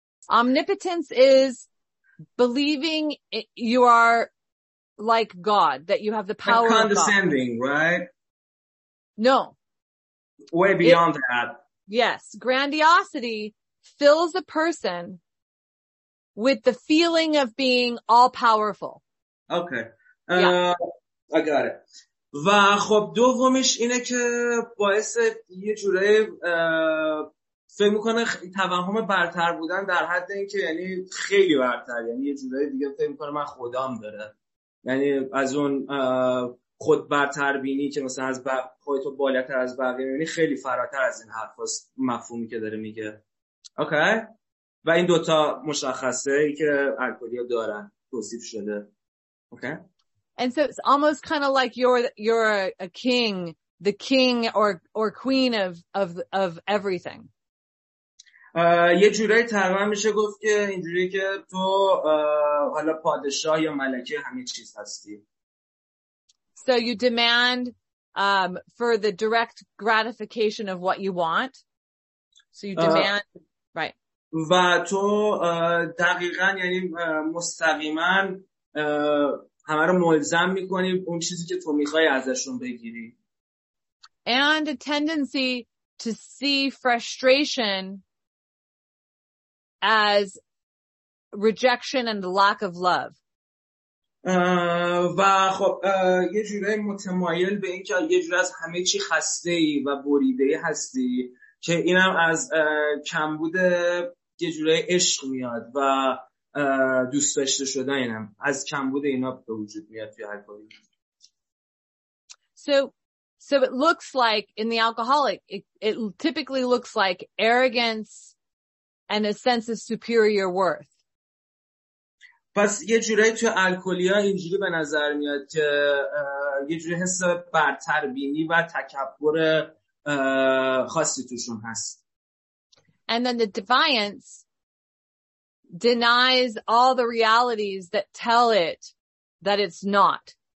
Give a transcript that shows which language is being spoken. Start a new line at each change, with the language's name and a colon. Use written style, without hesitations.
English: Omnipotence is believing you are like God, that you have the power like condescending, of condescending, right? No. Way beyond that. Yes. Grandiosity fills a person with the feeling of being all powerful. Okay. Yeah. I got it.
Persian: و خب دومش اینه که باعث یه جوره فکر میکنه توهم برتر بودن در حد اینکه یعنی خیلی برتر، یعنی یه جوره دیگه فکر میکنه من خدام داره. یعنی از اون خود برتر بینی که مثلا از خودتو بالاتر از بقیه می‌بینی خیلی فراتر از این حرفاست مفهومی که داره میگه. اوکی؟ و این دوتا مشخصه ای که الکلی ها دارن توصیف شده. اوکی؟
English: And so it's almost kind of like you're a king, the king or queen of everything.
Persian: یه جورایی تقریبا میشه گفت که اینجوری که تو حالا پادشاه یا ملکه همه چیز هستی.
English: So you demand for the direct gratification of what you want. So you demand right.
Persian: و تو دقیقاً یعنی مستقیماً همه رو ملزم می‌کنی اون چیزی که تو می‌خوای ازشون بگیری.
English: And a tendency to see frustration as rejection and the lack of love.
Persian: و خب یه جوری متمایل به این که یه جور از همه چی خسته ای و بریده ای هستی که اینم از کمبود یه جوری عشق میاد و دوست داشته شدن اینم از کمبود اینا به وجود میاد توی هر کاری.
English: So it looks like in the alcoholic it typically looks like arrogance and a sense of superior worth.
Persian: پس یه جورایی تو الکلیا اینجوری به نظر میاد که یه جوری حس برتربینی و تکبر خاصی توشون هست.
English: And then the defiance denies all the realities that tell it that it's not.